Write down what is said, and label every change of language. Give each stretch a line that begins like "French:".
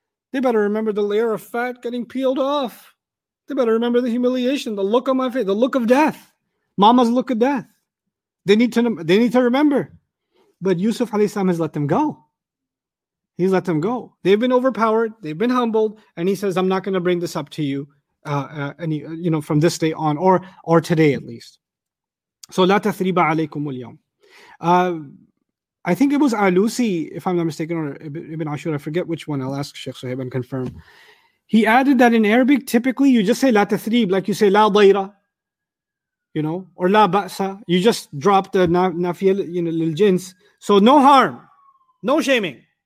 English: They better remember the layer of fat getting peeled off. They better remember the humiliation, the look on my face, the look of death, mama's look of death. They need to remember. But Yusuf alayhi salam has let them go. He's let them go. They've been overpowered. They've been humbled. And he says, I'm not going to bring this up to you from this day on, or today at least. So
Arabic: لا تثريب عليكم اليوم.
English: I think it was Alusi, if I'm not mistaken, or Ibn Ashur. I forget which one. I'll ask Sheikh Suhaib and confirm. He added that in Arabic, typically you just say
Arabic: لا تثريب,
English: like you say
Arabic: لا ضيرة,
English: you know, or
Arabic: لا بأسة.
English: You just drop the نافية, you know, للجنس. So no harm, no shaming.